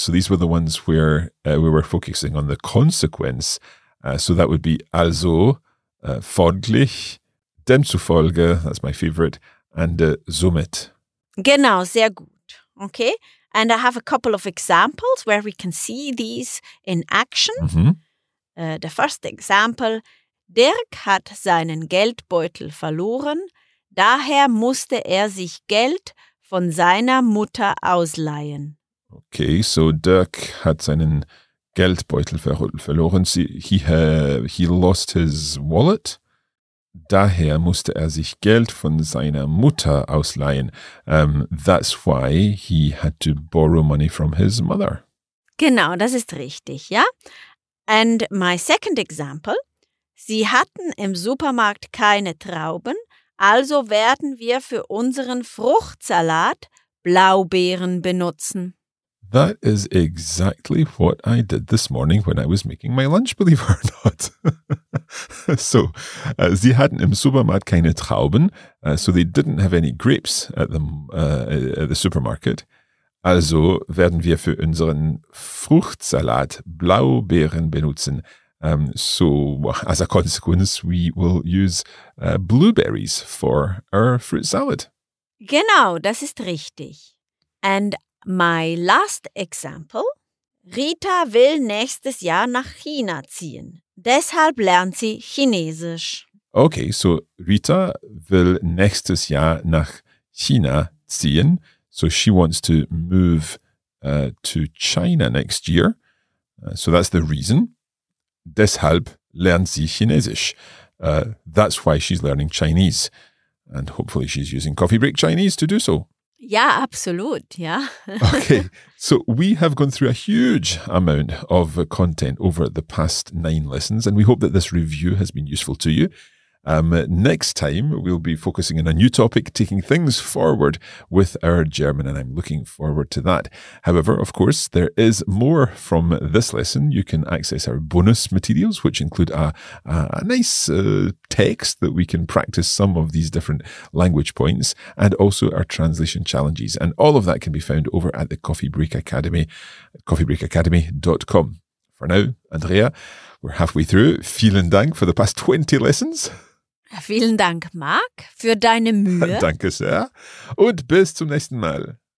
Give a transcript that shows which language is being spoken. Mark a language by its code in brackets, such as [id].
[en] So these were the ones where we were focusing on the consequence. So that would be also, [de] folglich, demzufolge, [en] that's my favorite, and somit. [de] Genau, sehr gut. Okay. [en] And I have a couple of examples where we can see these in action. Mm-hmm. The first example, [de] Dirk hat seinen Geldbeutel verloren, daher musste sich Geld von seiner Mutter ausleihen. [en] Okay, so [de] Dirk hat seinen Geldbeutel verloren. [en] He lost his wallet. [de] Daher musste sich Geld von seiner Mutter ausleihen. [en] That's why he had to borrow money from his mother. [de] Genau, das ist richtig, ja? [en] And my second example. [de] Sie hatten im Supermarkt keine Trauben, also werden wir für unseren Fruchtsalat Blaubeeren benutzen. [en] That is exactly what I did this morning when I was making my lunch, believe it or not. So, [de] sie hatten im Supermarkt keine Trauben, [en] so they didn't have any grapes at the supermarket. [de] Also werden wir für unseren Fruchtsalat Blaubeeren benutzen. [en] So, as a consequence, we will use blueberries for our fruit salad. [de] Genau, das ist richtig. [en] And my last example. [de] Rita will nächstes Jahr nach China ziehen. Deshalb lernt sie Chinesisch. [en] Okay, so [de] Rita will nächstes Jahr nach China ziehen. [en] So she wants to move to China next year. So that's the reason. [de] Deshalb lernt sie Chinesisch. [en] That's why she's learning Chinese. And hopefully she's using Coffee Break Chinese to do so. [de] Ja, absolut, ja. [en] Okay, so we have gone through a huge amount of content over the past 9 lessons, and we hope that this review has been useful to you. Next time, we'll be focusing on a new topic, taking things forward with our German, and I'm looking forward to that. However, of course, there is more from this lesson. You can access our bonus materials, which include a nice text that we can practice some of these different language points, and also our translation challenges. And all of that can be found over at the Coffee Break Academy, coffeebreakacademy.com. For now, Andrea, we're halfway through. [de] Vielen Dank [en] for the past 20 lessons. [de] Vielen Dank, Marc, für deine Mühe. Danke sehr. Und bis zum nächsten Mal.